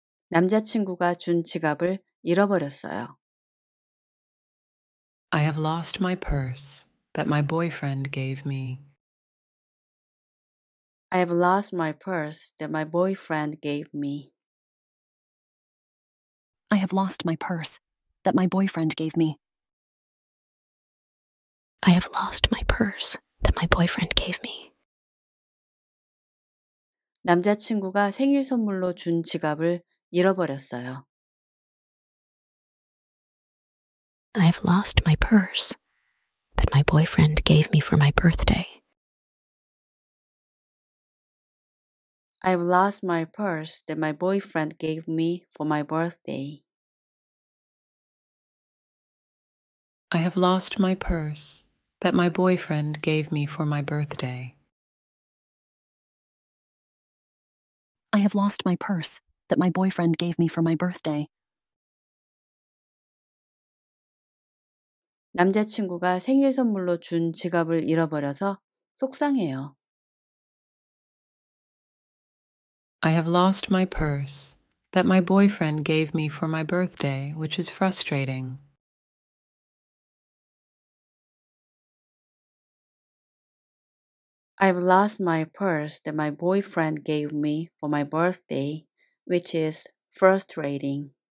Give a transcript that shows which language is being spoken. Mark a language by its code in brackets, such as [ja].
[ko] 남자친구가 준 지갑을 잃어버렸어요. [en] I have lost my purse that my boyfriend gave me. I have lost my purse that my boyfriend gave me. I have lost my purse that my boyfriend gave me. I have lost my purse that my boyfriend gave me. [ko] 남자친구가 생일 선물로 준 지갑을 잃어버렸어요. [en] I have lost my purse that my boyfriend gave me for my birthday. I have lost my purse that my boyfriend gave me for my birthday. I have lost my purse that my boyfriend gave me for my birthday. I have lost my purse that my boyfriend gave me for my birthday. [ko] 남자친구가 생일 선물로 준 지갑을 잃어버려서 속상해요. [en] I have lost my purse that my boyfriend gave me for my birthday, which is frustrating. I have lost my purse that my boyfriend gave me for my birthday, which is frustrating.